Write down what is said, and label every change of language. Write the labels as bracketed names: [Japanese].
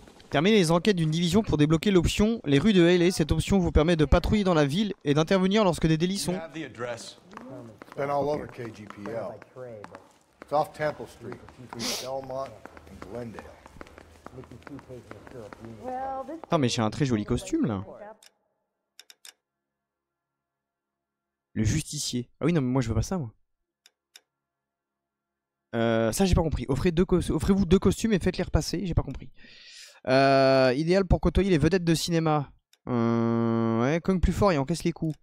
[French] Terminez les enquêtes d'une division pour débloquer l'option les rues de LA. Cette option vous permet de patrouiller dans la ville et d'intervenir lorsque des délits sont. [English] It's been all over KGPL. It's off Temple Street between Belmont and Glendale. [French] Non mais j'ai un très joli costume là. Le justicier. Ah oui, non mais moi je veux pas ça moi. Ça j'ai pas compris. Offrez-vous deux costumes et faites-les repasser. J'ai pas compris. Idéal pour côtoyer les vedettes de cinéma. Ouais, cogne plus fort et encaisse les coups.